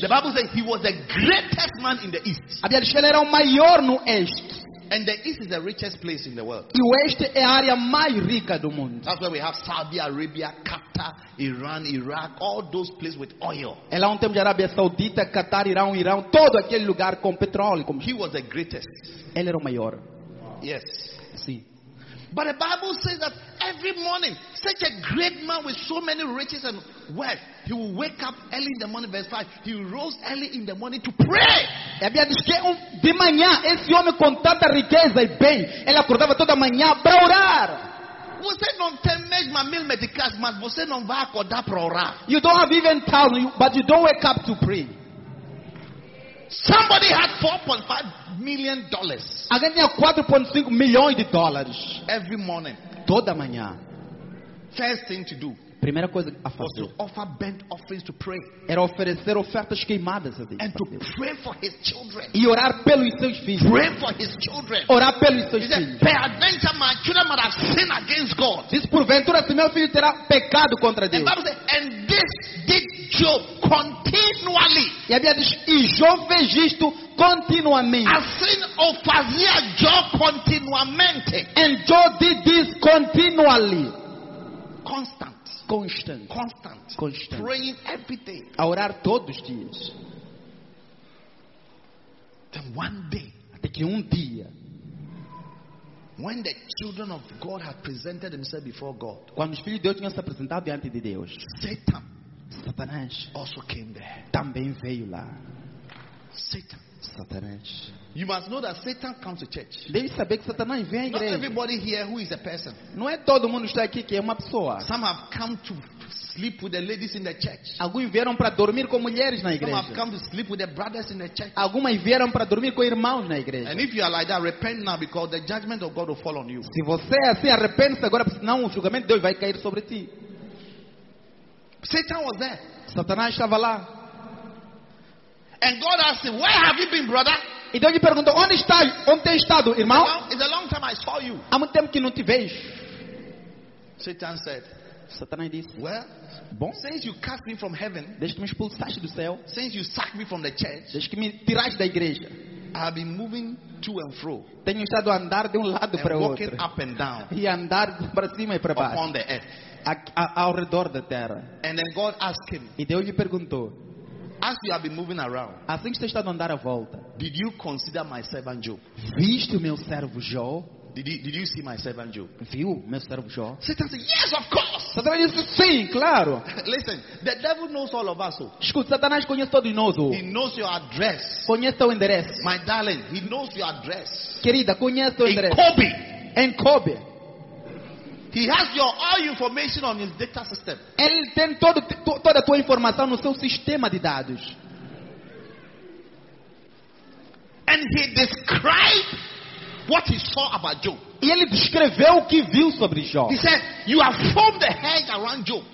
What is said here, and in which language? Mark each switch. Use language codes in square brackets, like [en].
[en] the Bible says he was the greatest man in the east. [pt] A Bíblia diz que ele era o maior no este. [en] And the east is the richest place in the world. [pt] E oeste é a área mais rica do mundo. [en] That's where we have Saudi Arabia, Qatar, Iran, Iraq, all those places with oil. [pt] É lá onde temos a Arábia Saudita, Qatar, Irã, todo aquele lugar com petróleo. [en] He was the greatest. [pt] Ele era o maior. [en] Yes. [pt] Sim. [en] But the Bible says that every morning, such a great man with so many riches and wealth, he will wake up early in the morning, verse 5. He rose early in the morning to pray. [pt] A Bíblia diz que de manhã, esse homem com tanta riqueza e bem, ele acordava toda manhã para orar. Você não tem mesmo a mil medicais, mas você não vai acordar para orar. [en] You don't have even time, but you don't wake up to pray. Somebody had $4.5 million. [pt] Alguém tinha 4.5 milhões de dólares. [en] Every morning, [pt] toda manhã. [en] First thing to do. [pt] Primeira coisa a fazer. [en] Was to offer burnt offerings to pray. [pt] Era oferecer ofertas queimadas a Deus. [en] And to pray for his children. [pt] E orar pelos seus filhos. [en] Pray for his children. [pt] Orar pelos seus filhos. [en] Peradventure my children might have sinned against God. [pt] Diz, porventura se meu filho terá pecado contra Deus. [en] And this did Job continually. [pt] E a Bíblia diz, e Job fez isto continuamente. Assim o fazia Job continuamente. [en] And Job did this continually. Constant. Constant. Constant. Constant. Praying every day. [pt] A orar todos os dias. [en] Then one day, [pt] até que dia, [en] when the children of God had presented themselves before God, [pt] quando os filhos de Deus tinham se apresentado diante de Deus, [en] Satan, [pt] Satanás, [en] also came there. [pt] Também veio lá. [en] Satan. [pt] Satanás. [en] You must know that Satan comes to church. [pt] Deve saber que Satanás vem à igreja. [en] Not everybody here who is a person. [pt] Não é todo mundo está aqui que é uma pessoa. [en] Some have come to sleep with the ladies in the church. [pt] Alguns vieram para dormir com mulheres na igreja. [en] Some have come to sleep with the brothers in the church. [pt] Algumas vieram para dormir com irmãos na igreja. [en] And if you are like that, repent now because the judgment of God will fall on you. [pt] Se você é assim, arrepende-se agora, senão o julgamento de Deus vai cair sobre ti. [en] Satan was there. [pt] Satanás estava lá. [en] And God asked him, "Where have you been, brother?" [pt] E Deus lhe perguntou, onde está, onde tem estado, irmão? [en] It's a long time I saw you. [pt] Há muito tempo que não te vejo. [en] Satan said. [pt] Satanás disse. [en] Well, [pt] bom. [en] Since you cast me from heaven, [pt] desde que me expulsaste do céu. [en] Since you sacked me from the church, [pt] desde que me tiraste da igreja. [en] I've been moving to and fro. [pt] Tenho estado a andar de lado para outro. [en] And walking up and down. [pt] E andar para cima e para baixo. [en] Upon the earth. [pt] Ao redor da terra. [en] And then God asked him. [pt] E Deus lhe perguntou. [en] As you have been moving around, [pt] assim que você está andando à volta, [en] did you consider my servant Job? [pt] Viste meu servo Jó? [en] Did you see my servant Job? [pt] Viu meu servo Jó? [en] Satan said, yes, of course. [pt] Satanás disse sim, claro. [en] Listen, the devil knows all of us. [pt] Escuta, Satanás conhece todos nós. [en] He knows your address. [pt] Conhece teu endereço. [en] My darling, he knows your address. [pt] Querida, conhece teu endereço. [en] In Kobe. In Kobe. He has your all information on his data system. [pt] Ele tem toda a tua informação no seu sistema de dados. [en] And he described what he saw about Job. [pt] E ele descreveu o que viu sobre Jó. [en] He said, "You have formed a hedge around Job."